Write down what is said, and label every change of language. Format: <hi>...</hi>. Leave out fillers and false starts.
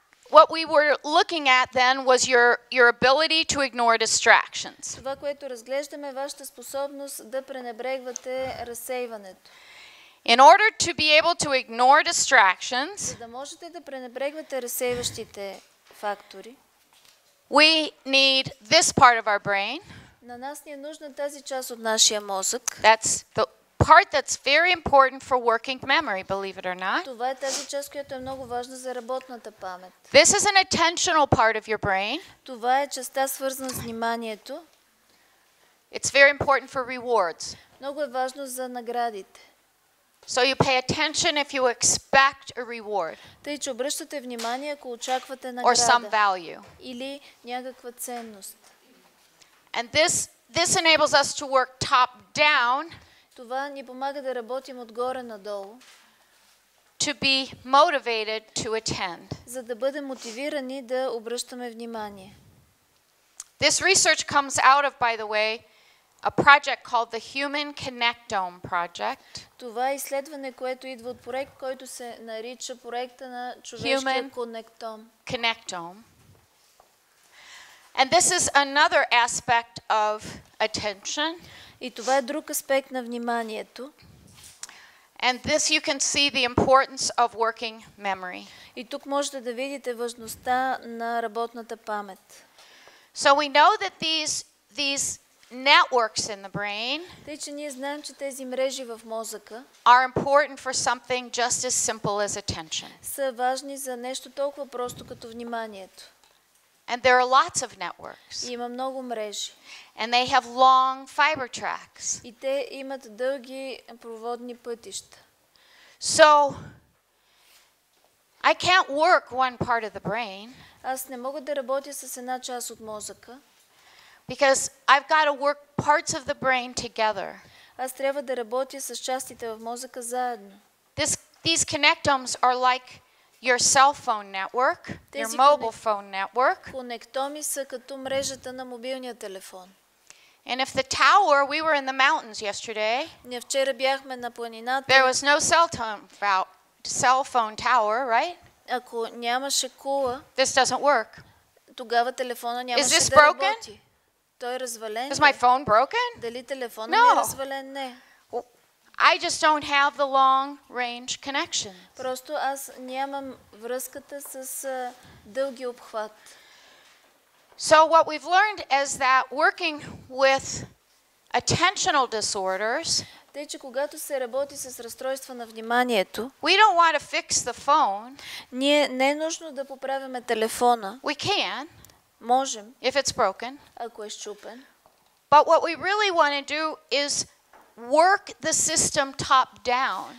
<en>What we were looking at then was your ability to ignore distractions.</en> <bg>Това, което разглеждаме, е вашата способност да пренебрегвате разсейването.</bg> <en>In order to be able to ignore distractions,</en> <bg>за да можете да пренебрегвате разсейващите фактори,</bg> <en>we need this part of our brain.</en> <bg>На нас ни е нужна тази част от нашия мозък.</bg> <en>That's the part that's very important for working memory, believe it or not.</en> <bg>Това е тази част, която е много важна за работната памет.</bg> <en>This is an attentional part of your brain.</en> <bg>Това е частта, свързана с вниманието.</bg> <en>It's very important for rewards.</en> <bg>Много е важно за наградите.</bg> <en>So you pay attention if you expect a reward.</en> <bg>Тъй, че обръщате внимание, ако очаквате награда.</bg> <en>Or some value.</en> <bg>Или някаква ценност.</bg> <en>And this enables us to work top down.</en> <bg>Това ни помага да работим отгоре надолу.</bg> <en>To be motivated to attend.</en> <bg>За да бъдем мотивирани да обръщаме внимание.</bg> <en>This research comes out of, by the way, a project called the Human Connectome Project.</en> <bg>Това е изследване, което идва от проект, който се нарича проекта на човешкия конектом.</bg> <en>Connectome. And this is another aspect of attention.</en> <bg>И това е друг аспект на вниманието.</bg> <en>And this you can see the importance of working memory.</en> <bg>И тук можете да видите важността на работната памет.</bg> <en>So we know that these networks in the brain,</en> <bg>тъй че ние знаем, че тези мрежи в мозъка,</bg> <en>are important for something just as simple as attention.</en> <bg>Са важни за нещо толкова просто като вниманието.</bg> <en>And there are lots of networks.</en> <bg>И има много мрежи.</bg> <en>And they have long fiber tracks.</en> <bg>И те имат дълги проводни пътища.</bg> <en>So I can't work one part of the brain.</en> <bg>Аз не мога да работя с една част от мозъка.</bg> <en>Because I've got to work parts of the brain together.</en> <bg>Аз трябва да работя с частите в мозъка заедно.</bg> <en>These connectomes are like your cell phone network, your mobile phone network.</en> <bg>Конектоми са като мрежата на мобилния телефон.</bg> <en>And if the tower, we were in the mountains yesterday.</en> <bg>Ние вчера бяхме на планината.</bg> <en>There was no cell phone tower, right?</en> <bg>Ако нямаше кула,</bg> <en>this doesn't work.</en> <bg>Тогава телефона нямаше.</bg> <en>Is this broken?</en> <bg>Той е развален.</bg> <en>Is my phone broken?</en> <bg>Дали телефонът ми е развален? Не.</bg> <en>I just don't have the long range connection.</en> <bg>Просто аз нямам връзката с дълги обхват.</bg> <en>So what we've learned is that working with attentional disorders,</en> <bg>тъй че когато се работи с разстройства на вниманието,</bg> <en>we don't want to fix the phone.</en> <bg>Ние не е нужно да поправяме телефона.</bg> <en>We can.</en> <bg>Можем.</bg> <en>If it's broken.</en> <bg>Ако е счупен.</bg> <en>But what we really want to do is work the system top down.</en>